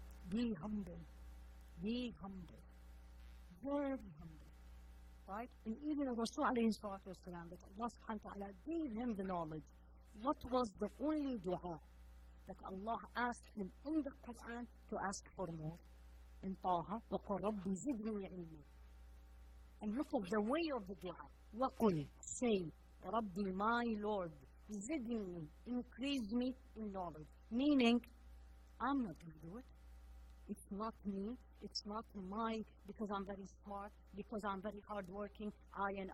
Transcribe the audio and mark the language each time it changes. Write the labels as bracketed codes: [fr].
[en] Be humble. Be humble. Very humble. Right? And even Rasul alayhi salatu wasalam, that Allah subhanahu wa ta'ala gave him the knowledge. What was the only dua that Allah asked him in the Quran to ask for more? In Taha, [ar] وَقُلْ رَبِّ زِدْنِي عِلْمًا. [en] And look at the way of the dua. وَقُلْ say, رَبِّ my Lord, زِدْنِي, increase me in knowledge. Meaning, I'm not going to do it. It's not me, it's not my, because I'm very smart, because I'm very hardworking, I.